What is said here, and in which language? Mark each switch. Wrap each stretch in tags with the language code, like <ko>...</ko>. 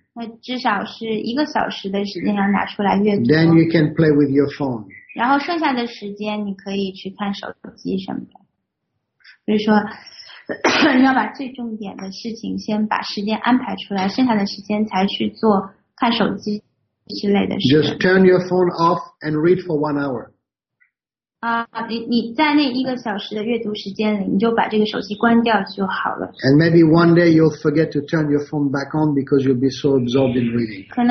<zh>那至少是1个小时的时间要拿出来阅读。</zh> <en>Then you can play with your phone.</en> <zh>然后剩下的时间你可以去看手机什么的。比如说, 你要把最重点的事情先把时间安排出来，剩下的时间才去做看手机之类的事。</zh> <en>Just turn your phone off and read for 1 hour.</en> <zh>你在那一个小时的阅读时间里，你就把这个手机关掉就好了。</zh> <en>And maybe one day you'll forget to turn your phone back on because you'll be so absorbed in reading.</en>